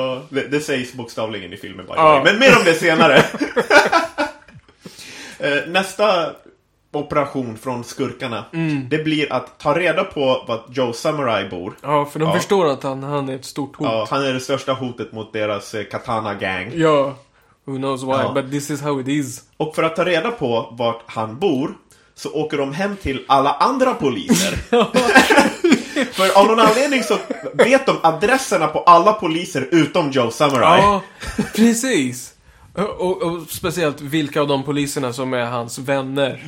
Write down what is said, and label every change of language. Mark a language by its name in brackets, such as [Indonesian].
[Swedish] Det sägs bokstavligen i filmen. [English] By the way. [Swedish] Men mer om det senare. Nästa operation från skurkarna. Mm. Det blir att ta reda på vad Joe Samurai bor. Ja, för de förstår att han är ett stort hot. Ja, han är det största hotet mot deras katana gang. [English] Ja, who knows why, but this is how it is. [Swedish] Och för att ta reda på vart han bor så åker de hem till alla andra poliser. För av någon anledning så vet de adresserna på alla poliser utom Joe Samurai. Ja, precis. Och speciellt vilka av de poliserna som är hans vänner.